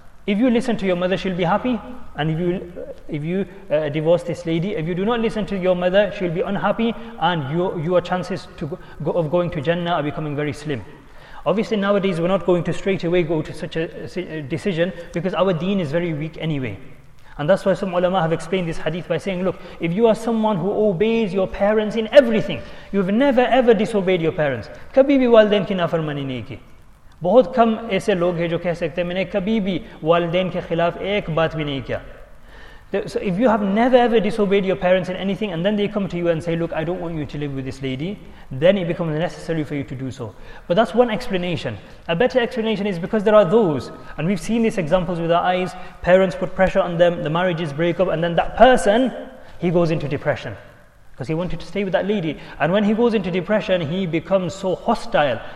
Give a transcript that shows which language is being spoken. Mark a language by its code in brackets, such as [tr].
[en] If you listen to your mother, she'll be happy. And if you divorce this lady, if you do not listen to your mother, she'll be unhappy, and your chances of going to Jannah are becoming very slim. Obviously, nowadays, we're not going to straight away go to such a decision, because our deen is very weak anyway. And that's why some ulama have explained this hadith by saying, look, if you are someone who obeys your parents in everything, you've never ever disobeyed your parents. [ur] Kabhi bhi walidain ki nafarmani nahi ki. بہت کم ایسے لوگ ہیں جو کہہ سکتے ہیں میں نے کبھی بھی والدین کے خلاف ایک بات بھی نہیں کیا. [en] So if you have never ever disobeyed your parents in anything, and then they come to you and say, look, I don't want you to live with this lady, then it becomes necessary for you to do so. But that's one explanation. A better explanation is because there are those, and we've seen these examples with our eyes, parents put pressure on them, the marriages break up, and then that person, he goes into depression, because he wanted to stay with that lady. And when he goes into depression, he becomes so hostile